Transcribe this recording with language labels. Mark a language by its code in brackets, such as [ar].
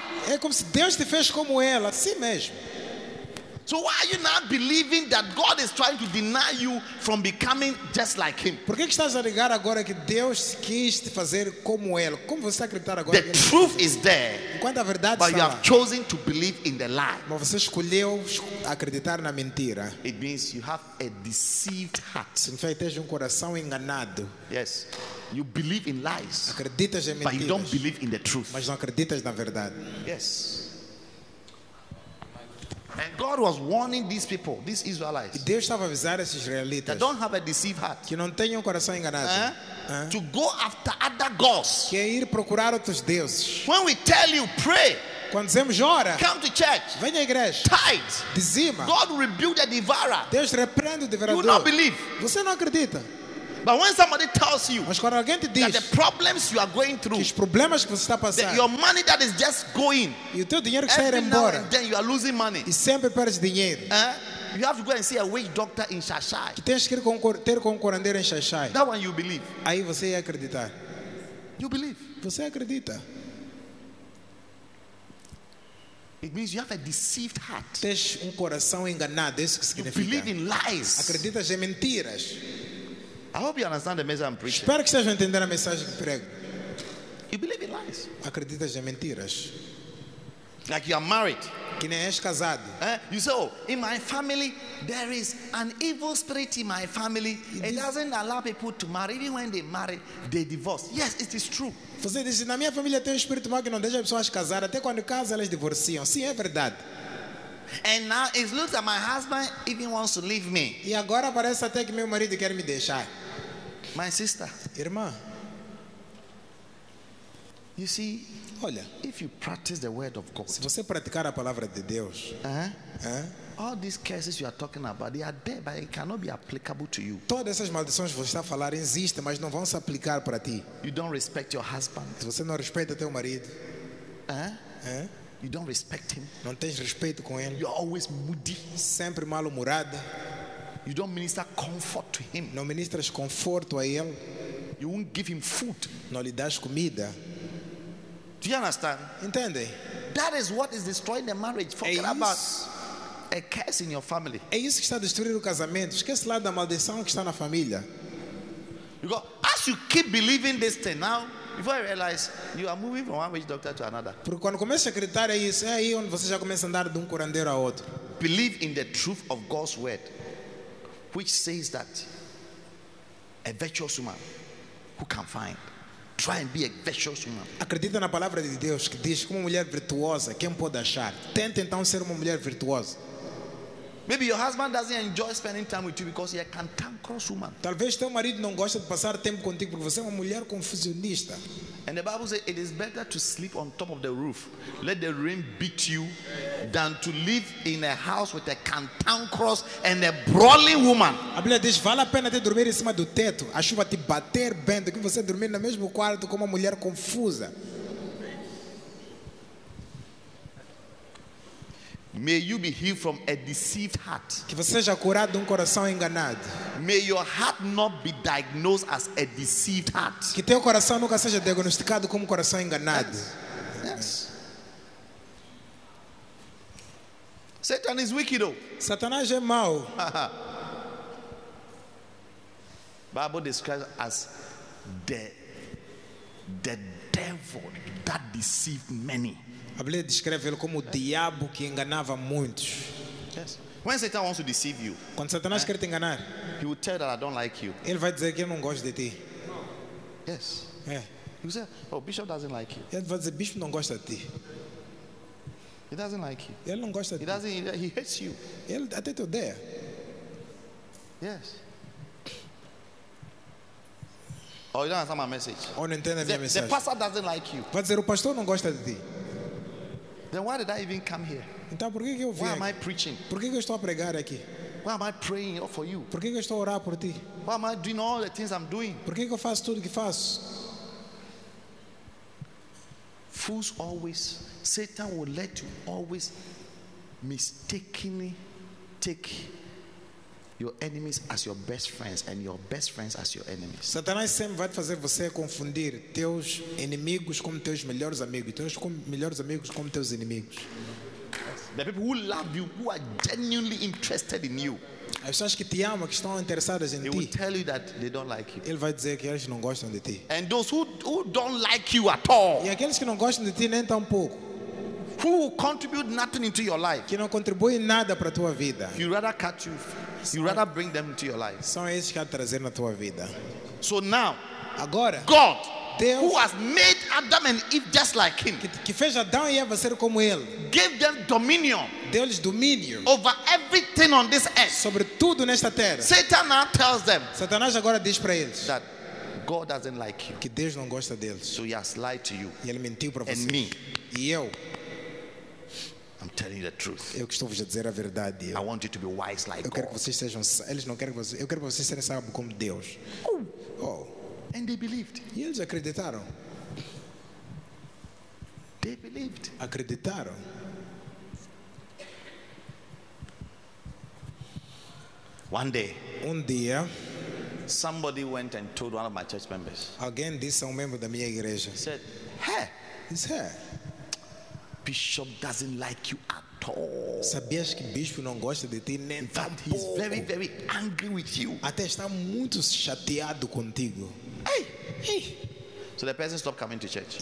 [pt] É como se Deus te fez como Ele, assim mesmo. [en] So why are you not believing that God is trying to deny you from becoming just like Him? [pt] Por que estás a negar agora que Deus quis te fazer como Ele? Como você acreditar agora? [en] The truth is there. [pt] Enquanto a verdade está. [en] But you have chosen to believe in the lie. [pt] Mas você escolheu acreditar na mentira. [en] It means you have a deceived heart. [pt] Significa que tens coração enganado. [en] Yes. You believe in lies. [pt] Acreditas em mentiras. [en] But you don't believe in the truth. [pt] Mas não acreditas na verdade. [en] Yes. And God was warning these people, these Israelites. [pt] E Deus estava a avisar esses israelitas. [en] That don't have a deceived heart. [pt] Que não tenham coração enganado. [en] To go after other gods. [pt] Que ir procurar outros deuses. [en] When we tell you pray. [pt] Quando dizemos ora. [en] Come to church. [pt] Venha à igreja. [en] Tithe. [pt] Dizima. [en] God rebuke the devourer. [pt] Deus repreende o devorador. [en] You don't believe. [pt] Você não acredita. [en] But when somebody tells you [pt] mas quando alguém te diz [en] that the problems you are going through, [pt] que os problemas que você está passando, [en] your money that is just going, [pt] e o teu dinheiro que está [en] every [pt] indo embora, [en] now and then you are losing money, [pt] e sempre perdes dinheiro. [en] You have to go and see a witch doctor in Shashai. [pt] Que tens que ir ter com um curandeiro em Shashai. [en] That one you believe. [pt] Aí você ia acreditar. [en] You believe. [pt] Você acredita. [en] It means you have a deceived heart. [pt] Tens coração enganado. Isso que significa. [en] You believe in lies. [pt] Acreditas em mentiras. [en] I hope you understand the message I'm preaching. [pt] Espero que estejam entendendo a mensagem que prego. [en] You believe in lies. [pt] Acreditas em mentiras. [en] Like you are married. [pt] Que nem és casado. [en] You say, in my family there is an evil spirit in my family. It doesn't allow people to marry. Even when they marry, they divorce. Yes, it is true. [pt] Você diz, na minha família tem um espírito mau que não deixa pessoas casar. Até quando casam, elas divorciam. Sim, é verdade. [en] And now it looks like my husband even wants to leave me. [pt] E agora parece até que meu marido quer me deixar. [en] My sister. [pt] Irmã. [en] You see, [pt] olha, [en] if you practice the word of God. [pt] Se você praticar a palavra de Deus. [en] All these curses you are talking about, they are there, but it cannot be applicable to you. [pt] Todas essas maldições que você está a falar existem, mas não vão se aplicar para ti. [en] You don't respect your husband. [pt] Se você não respeita teu marido. [en] You don't respect him. [pt] Não tens respeito com ele. [en] You're always moody. [pt] Sempre mal-humorado. [en] You don't minister comfort to him. [pt] Não ministras conforto a ele. [en] You won't give him food. [pt] Não lhe das comida. [en] Do you understand? [pt] Entende? [en] That is what is destroying the marriage. Forget about a curse in your family. [pt] É isso que está destruindo o casamento. Esquece lá da maldição que está na família. [en] You go, as you keep believing this thing now. Before I realize, you are moving from one witch doctor to another. [pt] Porque quando começa a acreditar é isso, é aí onde você já começa a andar de um curandeiro a outro. [en] Believe in the truth of God's word, which says that a virtuous woman who can find, try and be a virtuous woman. [pt] Acredita na palavra de Deus que diz que uma mulher virtuosa, quem pode achar? Tente então ser uma mulher virtuosa. [en] Maybe your husband doesn't enjoy spending time with you because he's a cantankerous woman. [pt] Talvez teu marido não goste de passar tempo contigo porque você é uma mulher confusionista. [en] And the Bible says it is better to sleep on top of the roof, let the rain beat you, than to live in a house with a cantankerous and a brawling woman. [pt] A Bíblia diz vale a pena ter dormir em cima do teto, a chuva te bater bem, do que você dormir no mesmo quarto com uma mulher confusa. [en] May you be healed from a deceived heart. [pt] Que você seja curado de coração enganado. [en] May your heart not be diagnosed as a deceived heart. [pt] Que teu coração nunca seja diagnosticado como coração enganado. [en] Yes. Satan is wicked. [pt] Satanás é mau. [en] Bible describes as the devil that deceived many. [pt] A Bíblia descreve ele como o diabo que enganava muitos. [en] Yes. When Satan wants to deceive you, [pt] quando Satanás quer te enganar, [en] he will tell that I don't like you. [pt] Ele vai dizer que eu não gosto de ti. [en] Yes. Yeah. He will say, "Oh, Bishop doesn't like you." [pt] Ele vai dizer, "Bishop não gosta de ti." [en] He doesn't like you. [pt] Ele não gosta de ti. [en] He hates you. [pt] Ele até te odeia. [en] Yes. Oh, you don't understand my message. [pt] Ou não entende a minha mensagem. [en] The pastor doesn't like you. [pt] Vai dizer, o pastor não gosta de ti. [en] Then why did I even come here? [pt] Então por que eu vim? [en] Why am I preaching? [pt] Por que eu estou a pregar aqui? [en] Why am I praying for you? [pt] Por que eu estou a orar por ti? [en] Why am I doing all the things I'm doing? [pt] Por que eu faço tudo que faço? [en] Fools always, Satan will let you always mistakenly take your enemies as your best friends and your best friends as your enemies. [pt] Satanás sempre vai fazer você confundir teus inimigos como teus melhores amigos, teus melhores amigos como teus inimigos. [en] The people who love you, who are genuinely interested in you. [pt] As pessoas que te amam, que estão interessadas em ti. [en] They will tell you that they don't like you. [pt] Ele vai dizer que eles não gostam de ti. [en] And those who don't like you at all. [pt] E aqueles que não gostam de ti nem tão pouco. [en] Who contribute nothing into your life? [pt] Que não contribui nada para tua vida. [en] You rather cut you. You rather bring them into your life. [pt] São esses que há trazer na tua vida. [en] So now, [pt] agora, [en] God, [pt] Deus, [en] who has made Adam and Eve just like Him, [pt] que fez Adão e Eva ser como Ele, [en] gave them dominion. [pt] Deu-lhes domínio [en] over everything on this earth. [pt] Sobre tudo nesta terra. [en] Satan now tells them. [pt] Satanás agora diz para eles [en] that God doesn't like you. [pt] Que Deus não gosta deles. [en] So He has lied to you. [pt] E ele mentiu para você. [en] And me. [pt] E eu. [en] I'm telling you the truth. [pt] Eu que estou a dizer a verdade. [en] I want you to be wise like [pt] eu quero [en] God. [pt] Que vocês sejam, eles não querem que vocês, eu quero que vocês sejam sábios como Deus. [en] Oh. And they believed. [pt] E eles acreditaram. [en] They believed. [pt] Acreditaram. [en] One day, [pt] um dia, [en] somebody went and told one of my church members. [pt] Alguém disse a um membro da minha igreja. [en] Said, hey. He said, Bishop doesn't like you at all. [pt] Sabias que bispo não gosta de ti nem tanto. [en] He's very, very angry with you. [pt] Até está muito chateado contigo. [en] Hey, hey. So the person stopped coming to church.